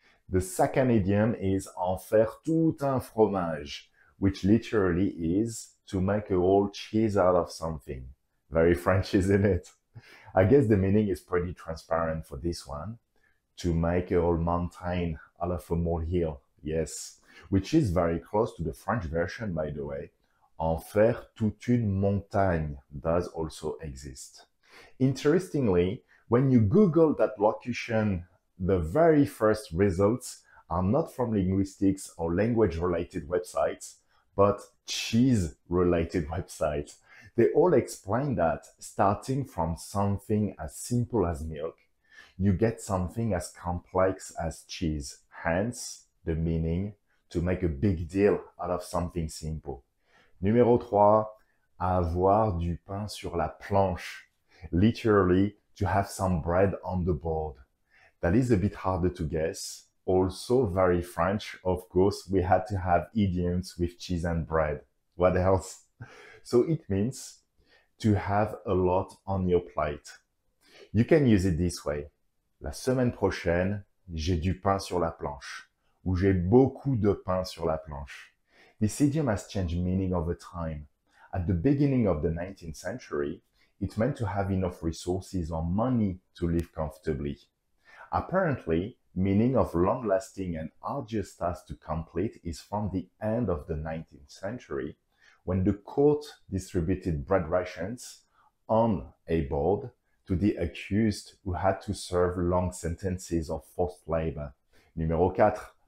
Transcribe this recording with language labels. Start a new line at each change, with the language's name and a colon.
English: The second idiom is
French: en faire tout un fromage,
English: which literally is to make a whole cheese out of something. Very French, isn't it? I guess the meaning is pretty transparent for this one. To make a whole mountain out of a molehill, yes. Which is very close to the French version, by the way.
French: En faire toute une montagne
English: does also exist. Interestingly, when you Google that locution, the very first results are not from linguistics or language-related websites, but cheese-related websites. They all explain that starting from something as simple as milk, you get something as complex as cheese, hence the meaning to make a big deal out of something simple.
French: Numéro 3, avoir du pain sur la planche.
English: Literally, to have some bread on the board. That is a bit harder to guess. Also very French, of course, we had to have idioms with cheese and bread. What else? So it means to have a lot on your plate. You can use it this way.
French: La semaine prochaine, j'ai du pain sur la planche. Ou j'ai beaucoup de pain sur la planche.
English: This idiom has changed meaning over time. At the beginning of the 19th century, it meant to have enough resources or money to live comfortably. Apparently, meaning of long-lasting and arduous tasks to complete is from the end of the 19th century, when the court distributed bread rations on a board to the accused who had to serve long sentences of forced labor.
French: Numéro 4.